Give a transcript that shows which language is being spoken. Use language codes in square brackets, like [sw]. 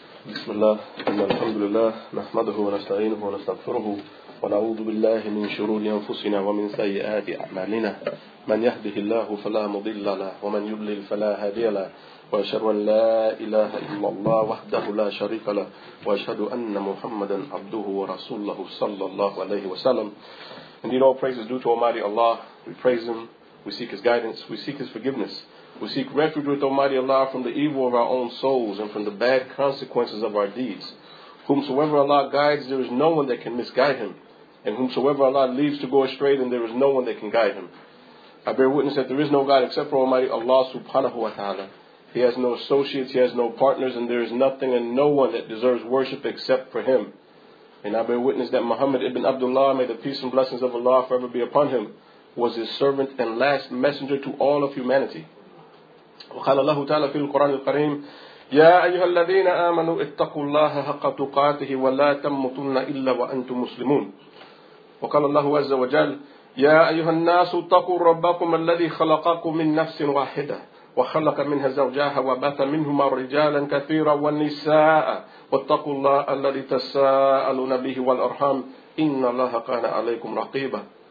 [ar] بسم الله ثم الحمد لله نحمده ونستعينه ونستغفره ونعوذ بالله من شرور أنفسنا ومن سيئات أعمالنا من يهده الله فلا مضل له ومن يضلل فلا هادي له وأشهد أن لا إله إلا الله وحده لا شريك له وأشهد أن محمدا عبده ورسوله صلى الله عليه وسلم. [en] Indeed, all praises due to Almighty Allah. We praise Him. We seek His guidance. We seek His forgiveness. We seek refuge with Almighty Allah from the evil of our own souls and from the bad consequences of our deeds. Whomsoever Allah guides, there is no one that can misguide him. And whomsoever Allah leaves to go astray, then there is no one that can guide him. I bear witness that there is no God except for Almighty Allah subhanahu wa ta'ala. He has no associates, he has no partners, and there is nothing and no one that deserves worship except for him. And I bear witness that Muhammad ibn Abdullah, may the peace and blessings of Allah forever be upon him, was his servant and last messenger to all of humanity. [ar] وقال الله تعالى في القرآن الكريم يا أيها الذين آمنوا اتقوا الله حق تقاته ولا تموتن إلا وأنتم مسلمون وقال الله عز وجل يا أيها الناس اتقوا ربكم الذي خلقكم من نفس واحدة وخلق منها زوجها وبث منهما رجالا كثيرا والنساء واتقوا الله الذي تساءلون به والأرحام إن الله كان عليكم رقيبا